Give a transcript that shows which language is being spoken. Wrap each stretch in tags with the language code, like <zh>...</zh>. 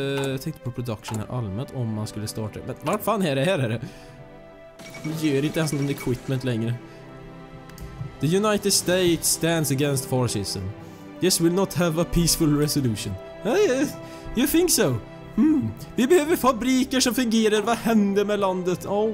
<sv>Jag tänkte på production här allmänt om man skulle starta. Men vad fan är det här? Det gör inte ens någon equipment längre.</sv> <en>The United States stands against fascism. This will not have a peaceful resolution. You think so?</en> <sv>Vi behöver fabriker som fungerar. Vad händer med landet?</sv>